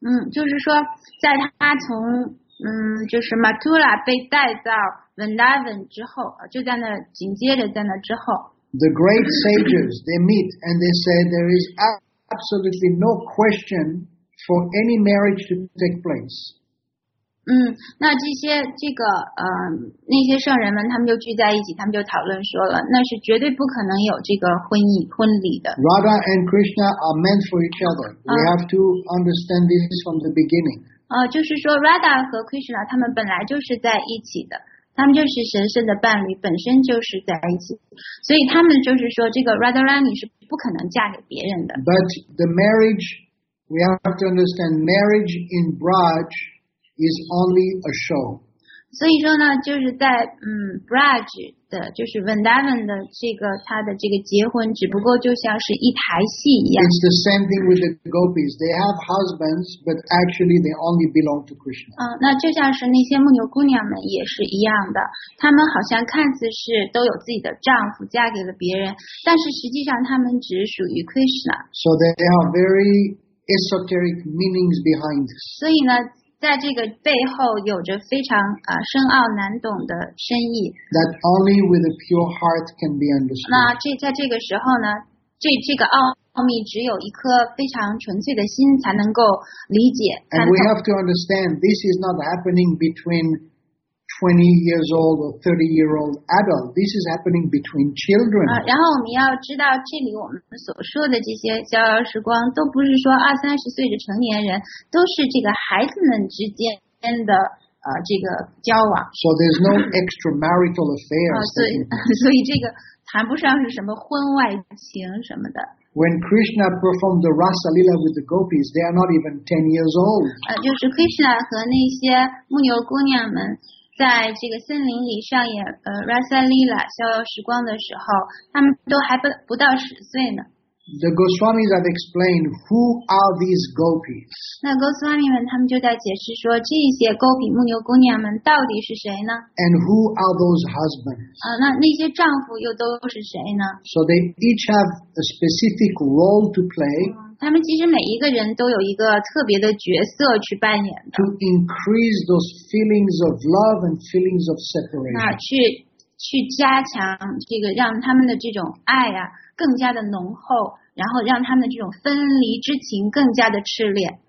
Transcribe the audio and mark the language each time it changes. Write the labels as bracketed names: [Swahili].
[Chinese] 就是说在他从就是 Mathura 被带到 Vrindavan 之后就在那紧接着在那之后 [English] The great sages, they meet and they say there is absolutely no question for any marriage to take place. [Chinese] 那这些这个那些圣人们他们就聚在一起他们就讨论说了那是绝对不可能有这个婚礼的。 [English] Radha and Krishna are meant for each other. We have to understand this from the beginning. [Chinese] 就是说 Radha 和 Krishna 他们本来就是在一起的。他们就是神圣的伴侣本身就是在一起。所以他们就是说这个 Radharani 是不可能嫁给别人的。 [English] But the marriage, we have to understand marriage in Braj is only a show. [Chinese] 所以说呢就是在Braj 的就是 Vrindavan 的这个他的这个结婚只不过就像是一台戏一样。 [English] It's the same thing with the gopis. They have husbands, but actually they only belong to Krishna. [Chinese] 那就像是那些牧牛姑娘们也是一样的。他们好像看似是都有自己的丈夫嫁给了别人但是实际上他们只属于 Krishna. [English] So they are very esoteric meanings behind this. [Chinese] 所以呢在这个背后有着非常深奥难懂的深意。 [English] That only with a pure heart can be understood. [Chinese] 那在这个时候呢，这个奥秘只有一颗非常纯粹的心才能够理解。 [English] And we have to understand this is not happening between 20 years old or 30 year old adult. This is happening between children. [Chinese] 然后我们要知道，这里我们所说的这些逍遥时光，都不是说二三十岁的成年人，都是这个孩子们之间的这个交往。 [English] So there's no extramarital affairs. [Chinese] 所以这个谈不上是什么婚外情什么的。 [English] When Krishna performed the Rasa Lila with the gopis, they are not even 10 years old. [Chinese] 就是 Krishna 和那些牧牛姑娘们。在这个森林里上演Rasa Lila 逍遥时光的时候，他们都还不到十岁呢。 [English] The Goswamis have explained who are these gopis. [Chinese] 那 Goswami 们他们就在解释说，这些 gopi 牧牛姑娘们到底是谁呢 [English] ？And who are those husbands? [Chinese] 那些丈夫又都是谁呢 [English] ？So they each have a specific role to play. [Chinese] 他们其实每一个人都有一个特别的角色去扮演的。 [English] To increase those feelings of love and feelings of separation. [Chinese] 去加强这个，让他们的这种爱啊。更加的浓厚，然后让他们的这种分离之情更加的炽烈。